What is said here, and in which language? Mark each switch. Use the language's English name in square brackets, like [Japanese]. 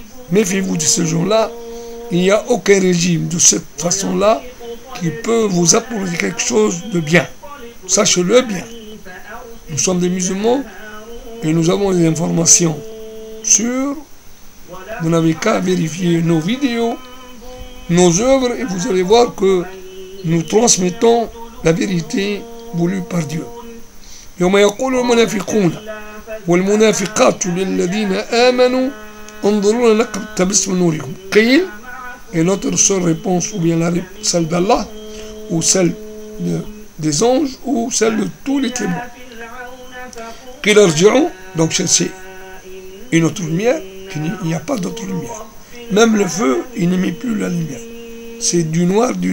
[French] Méfiez-vous de ces gens-là. Il n'y a aucun régime de cette façon-là qui peut vous apporter quelque chose de bien. Sachez-le bien. Nous sommes des musulmans et nous avons des informations sûres. Vous n'avez qu'à vérifier nos vidéos, nos œuvres et vous allez voir que nous transmettons la vérité voulu par Dieu. [Arabic] يوم يقول المنافقون والمنافقات للذين آمنوا انظرونا نقتبس من نوركم. قيل [French] et notre seule réponse ou bien la celle d'Allah ou celle des anges ou celle de tous les témoins. [Arabic] قيل ارجعوا [French] donc chercher une autre lumière qu'il n'y a pas d'autre lumière. Même le feu il n'émet plus la lumière. C'est du noir